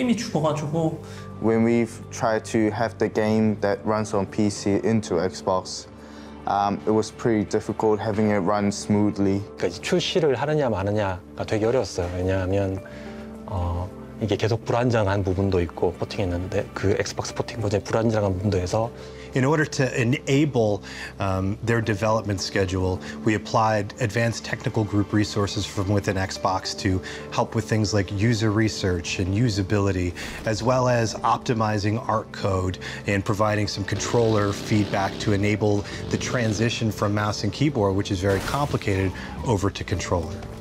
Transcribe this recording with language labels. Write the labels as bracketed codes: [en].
[en] When we try to have the game that runs on PC into Xbox, it was pretty difficult having it run smoothly. [ko] 출시를 하느냐 마느냐가 되게 어려웠어요. 왜냐하면 이게 계속 불안정한 부분도 있고 포팅했는데 그 엑스박스 포팅 버전의 불안정한 부분도 해서. [en] In order to enable their development schedule, we applied advanced technical group resources from within Xbox to help with things like user research and usability, as well as optimizing ARC code and providing some controller feedback to enable the transition from mouse and keyboard, which is very complicated, over to controller.